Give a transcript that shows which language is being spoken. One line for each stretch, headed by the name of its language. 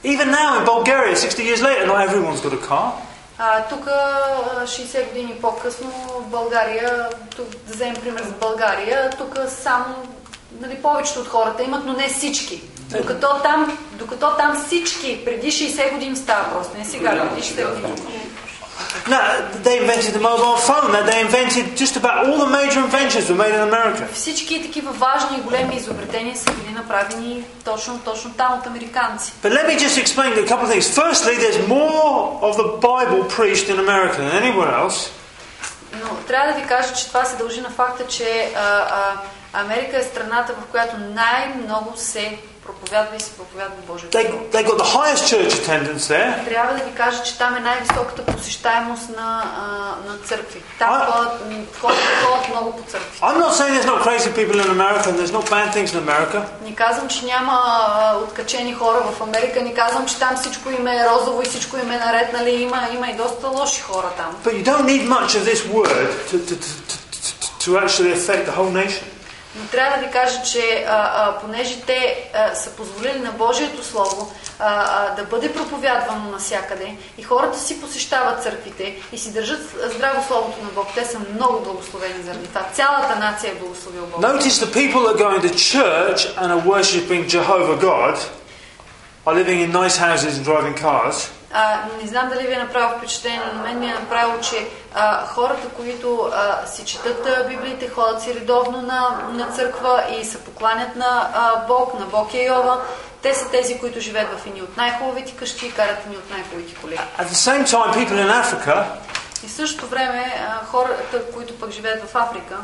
English: Even now in Bulgaria, 60 years later, not everyone's got a car.
Bulgarian: Тук 60 години по-късно в България, тук, да вземем пример за България, тук само нали, повечето от хората имат, но не всички. Докато там всички, преди 60 години става просто, не сега, преди 60 години.
English: Now they invented the mobile phone. Now they invented just about all the major inventions were made in America.
Bulgarian: Всички такива важни и големи изобретения са били направени точно там от американци.
English: But let me just explain a couple of things. Firstly, there's more of the Bible preached in America than anywhere else.
Bulgarian: Но трябва да ви кажа, че това се дължи на факта, че Америка е страната, в която най-много се проповядва и се проповядва Божието.
English: They got the highest church attendance there.
Bulgarian: Трябва да ви кажа, че там е най-високата посещаемост на църкви. Там ходят много по църкви.
English: I'm not saying there's not crazy people in America and there's not bad things in America.
Bulgarian: Не казвам, че няма откачени хора в Америка. Не казвам, че там всичко им е розово и всичко им е наред. Нали? Има и доста лоши хора там.
English: But you don't need much of this word to actually affect the whole nation.
Bulgarian: Но трябва да ви кажа, че понеже те са позволили на Божието Слово да бъде проповядвано навсякъде и хората си посещават църквите и си държат здраво Словото на Бог, те са много благословени заради това. Цялата нация е благословила Бог.
English: Notice the people that go into church and are worshiping Jehovah God are living in nice houses and driving cars.
Bulgarian: Не знам дали ви е направило впечатление, но на мен ми е направило, че хората, които си четат Библиите, ходят си редовно на църква и се покланят на Бог, на Бог Йова, те са тези, които живеят в едни от най-хубавите къщи и карат ни от най-хубавите коли.
English: At the same time, people in Africa,
Bulgarian: и в същото време хората, които пък живеят в Африка,